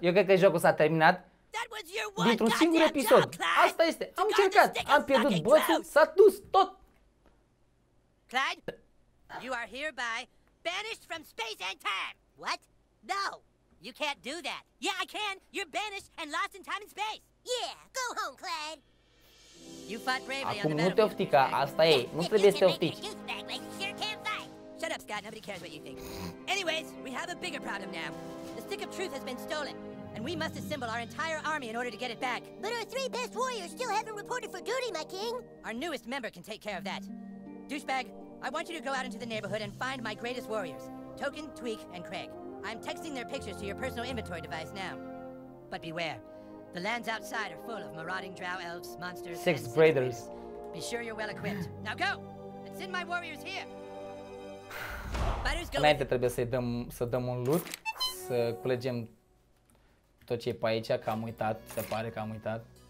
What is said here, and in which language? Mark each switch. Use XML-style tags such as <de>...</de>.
<ro>Eu cred că jocul s-a terminat dintr-un singur episod. Asta este. Am încercat. Am pierdut bossul. S-a dus tot.</ro> <en>Clyde? You are hereby banished from space and time! What? No! You can't do that! Yeah, I can! You're banished and lost in time and space! Yeah! Go home, Clyde! You fought bravely</en> <ro>acum</ro> <en>on the battlefield, Goosebag! You can make a goosebag, like, sure can fight! Shut up, Scott. Nobody cares what you think. Anyways, we have a bigger problem now. The Stick of Truth has been stolen, and we must assemble our entire army in order to get it back. But our three best warriors still haven't reported for duty, my king! Our newest member can take care of that. Douchebag, I want you to go out into the neighborhood and find my greatest warriors, Token, Tweak, and Craig. I'm texting their pictures to your personal inventory device now. But beware. The lands outside are full of marauding drow elves, monsters, six braiders. Be sure you're well equipped. Now go! And send my warriors here! Fighters, go!</en> <ro>Înainte trebuie să dăm un loot, să culegem tot ce e pe aici, că am uitat, se pare că am uitat.</ro>